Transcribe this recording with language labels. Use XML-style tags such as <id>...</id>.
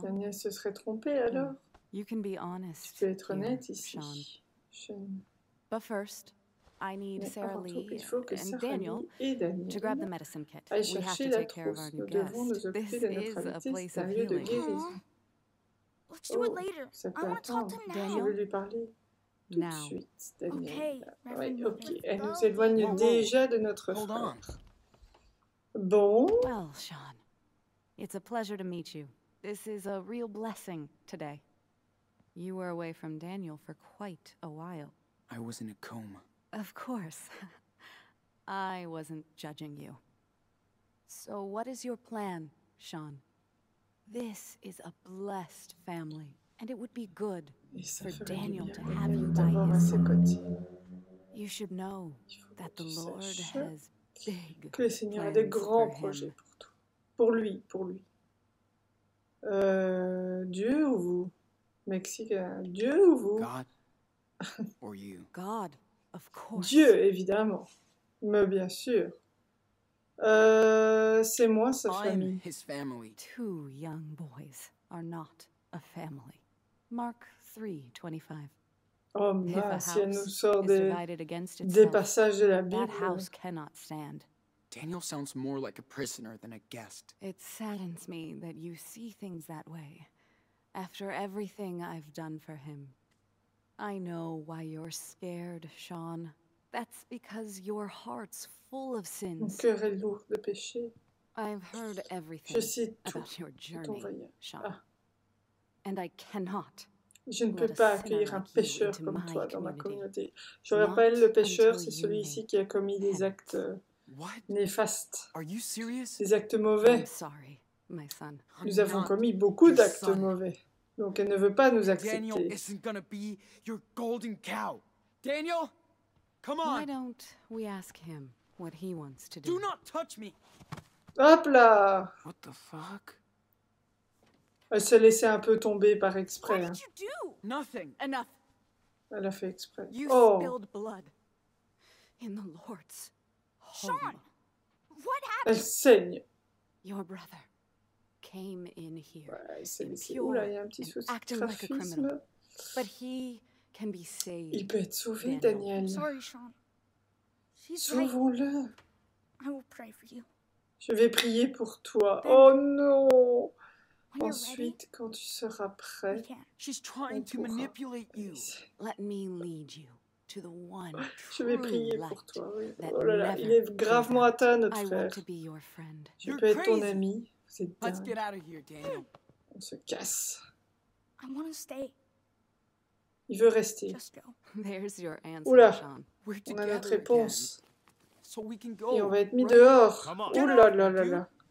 <fr>Daniel se serait trompé alors.</fr> <en>You can be honest.</en> <fr>Tu peux être honnête ici, Sean.</fr> <en>But first, I need Sarah Lee and Daniel to grab the medicine kit. We have to take care of our new guest. This is a place of healing. Let's do it later. I want to talk to Daniel. Now. Okay.</en> <fr>Ouais, ok. Elle nous éloigne déjà de notre frère. Bon.</fr> <en>Well, Sean, it's a pleasure to meet you. This is a real blessing today. You were away from Daniel for quite a while. I was in a coma. Of course. I wasn't judging you. So what is your plan, Sean? This is a blessed family, and it would be good for Daniel to have you by his side. You should know that the Lord has big</en> <fr>que le Seigneur a de grands projets pour toi. Pour lui. Dieu ou vous? Mexique, Dieu ou vous?</fr> <en>God or you? God. Of course.</en> <fr>Dieu, évidemment. Mais bien sûr. C'est moi, sa famille.</fr> <en>Two young boys are not a family. Mark 3:25.</en> <fr>Oh, mince, si elle nous sort des passages de la Bible.</fr> <en>That house cannot stand. Daniel sounds more like a prisoner than a guest. It saddens me that you see things that way. After everything I've done for him. I know why you're scared, Sean. That's because your heart's full of sins.</en> <fr>Mon cœur est lourd de péché.</fr> <en>I've heard everything about your journey, Sean. Ah. And I cannot.</en> <fr>Je ne peux pas accueillir un pécheur comme toi dans ma communauté. Je rappelle, le pécheur, c'est celui ici qui a commis des actes néfastes.</fr> <en>Are you serious?</en> <fr>Des actes mauvais.</fr> <en>I'm sorry, my son.</en> <fr>Nous avons commis beaucoup d'actes mauvais. Donc elle ne veut pas nous accepter.</fr> <en>Daniel isn't gonna be your golden cow. Daniel, come on. Why don't we ask him what he wants to do? Do not touch me.</en> <fr>Hop là.</fr> <en>What the fuck?</en> <fr>Elle s'est laissée un peu tomber par exprès.</fr> <en>What did you do? Nothing. Enough.</en> <fr>Elle a fait exprès.</fr> <en>You spilled blood in the Lord's home. Sean, what happened?</en> <fr>Elle saigne.</fr> <en>Your brother. Came in here, impure, acting like a criminal. But he can be saved.</en> <fr>Il peut être sauvé, Daniel.</fr> <en>Sorry, Sean.</en> <fr>Sauvons-le.</fr> <en>I will pray for you.</en> <fr>Je vais prier pour toi. Oh non. Ensuite, quand tu seras prêt,</fr> <en>she's trying to manipulate you. Let me lead you to the one.</en> <fr>Je vais prier pour toi. Oh là là, il est gravement atteint, notre frère.</fr> <en>I want to be your friend.</en> <fr>Je peux être ton ami.</fr> <en>Let's get out of here, Daniel.</en> <fr>On se casse.</fr> <en>I want to stay.</en> <fr>Il veut rester.</fr> <en>Just go. There's your answer, Sean. We're together.</en> <fr>On a notre réponse.</fr> <en>So we can go.</en> <fr>Et on va être mis dehors. Ouh là là là là.</fr>